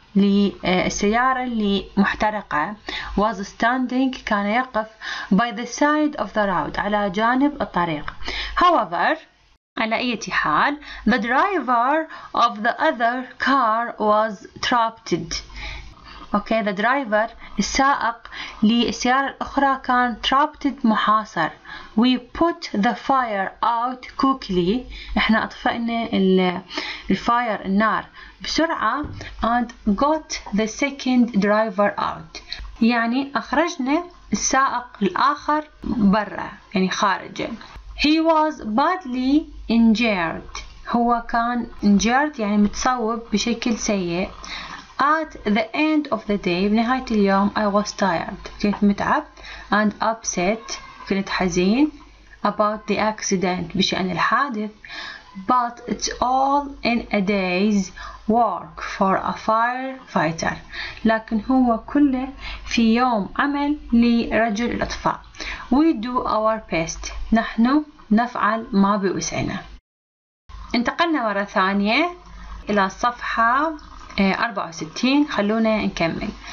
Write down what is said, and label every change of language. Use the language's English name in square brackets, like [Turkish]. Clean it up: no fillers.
[Arabic] للسيارة اللي محترقة [English] was standing [Arabic] كان يقف [English] by the side of the road [Arabic] على جانب الطريق. [English] However [Arabic] على أي حال [English] the driver of the other car was trapped. Okay the driver [Arabic] السائق للسيارة الأخرى كان [English] trapped [Arabic] محاصر. [English] We put the fire out quickly. [Arabic] إحنا أطفئنا الفاير النار بسرعة [English] and got the second driver out. [Arabic] يعني أخرجنا السائق الآخر برا يعني خارجه. [English] He was badly injured. [Arabic] هو كان [English] injured [Arabic] يعني متصوب بشكل سيء. [English] At the end of the day [Arabic] بنهاية اليوم [English] I was tired. [Arabic] كنت متعب [English] and upset. [Arabic] كنت حزين [English] about the accident [Arabic] بشأن الحادث. [English] But it's all in a day's work for a firefighter. [Arabic] لكن هو كله في يوم عمل لرجل الأطفاء. [English] We do our best. [Arabic] نحن نفعل ما بوسعنا. انتقلنا مرة ثانية إلى صفحة 64. خلونا نكمل.